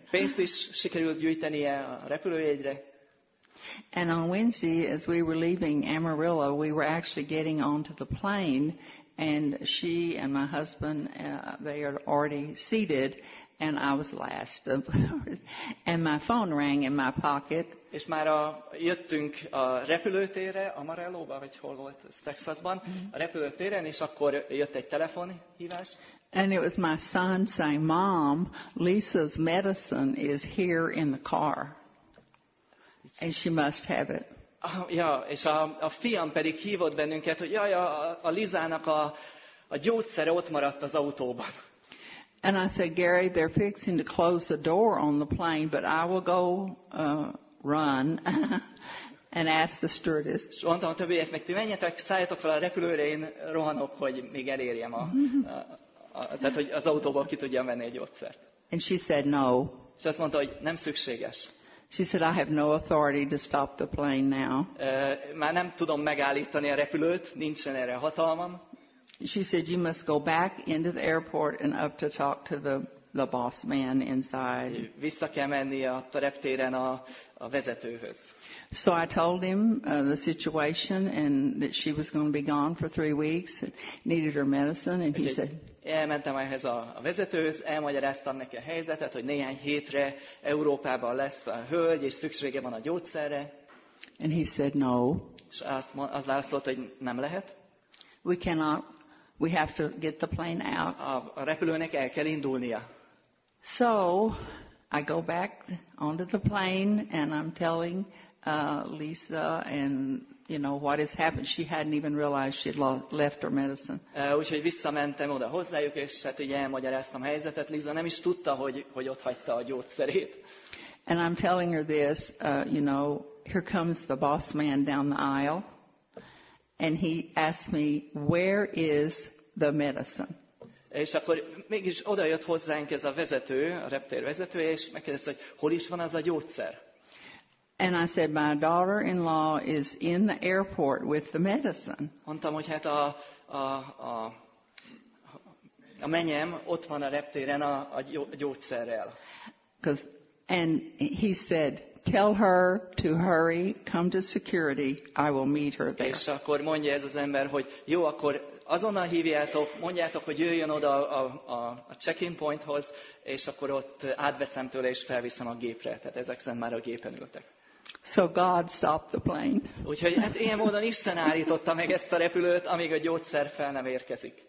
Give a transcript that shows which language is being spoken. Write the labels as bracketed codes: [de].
[hu] Pénzt is sikerült gyűjtenie a repülőjegyre. [en] And on Wednesday, as we were leaving Amarillo, we were actually getting onto the plane, and she and my husband, they are already seated, and I was last. And my phone rang in my pocket. [hu] És már jöttünk a repülőtérre, Amarillo-ba, vagy hol volt, Texasban, a repülőtéren, és akkor jött egy telefonhívás. [en] And it was my son saying, Mom, Lisa's medicine is here in the car. And she must have it. [hu] Ja, és a fiam pedig hívott bennünket, hogy jaj, a Lizának a gyógyszere ott maradt az autóban. [en] And I said, Gary, they're fixing to close the door on the plane, but I will go run and ask the stewardess. [hu] És mondtam a többieknek, ti menjetek, szálljatok fel a repülőre, én rohanok, hogy még elérjem tehát, hogy az autóba ki tudjam venni egy gyógyszert. [en] And she said no. [hu] És azt mondta, hogy nem szükséges. [en] She said, I have no authority to stop the plane now. [hu] Már nem tudom megállítani a repülőt, nincsen erre hatalmam. [en] She said, you must go back into the airport and up to talk to the boss man inside. [hu] Vissza kell menni a reptéren a vezetőhöz. [en] So I told him the situation and that she was going to be gone for 3 weeks and needed her medicine, and he said, [hu] elmentem ehhez a vezetőhöz, elmagyaráztam neki a helyzetet, hogy néhány hétre Európában lesz a hölgy, és szüksége van a gyógyszerre. [en] And he said no. [hu] És azt válaszolt, hogy nem lehet. [en] We cannot. We have to get the plane out. [hu] A repülőnek el kell indulnia. [en] So I go back onto the plane and I'm telling Lisa and you know what has happened. She hadn't even realized she'd left her medicine. [hu] Úgyhogy visszamentem oda hozzájuk, és hát így elmagyaráztam a helyzetet. Lisa nem is tudta, hogy ott hagyta a gyógyszerét. [en] And I'm telling her this, you know, here comes the boss man down the aisle. And he asked me, where is the medicine? [hu] És akkor mégis odajött hozzánk ez a vezető, a reptér vezetője, és megkérdezte, hogy hol is van az a gyógyszer? [en] And I said, my daughter-in-law is in the airport with the medicine. [hu] Mondtam, hogy hát a menyem ott van a reptéren a gyógyszerrel. [en] And he said, tell her to hurry, come to security, I will meet her there. [hu] És akkor mondja ez az ember, hogy jó, akkor azonnal hívjátok, mondjátok, hogy jöjjön oda a check-in pointhoz, és akkor ott átveszem tőle, és felviszem a gépre. Tehát ezek szerint már a gépen ültek. [en] So God stopped the plane. [hu] Úgyhogy hát ilyen módon Isten állította meg ezt a repülőt, amíg a gyógyszer fel nem érkezik.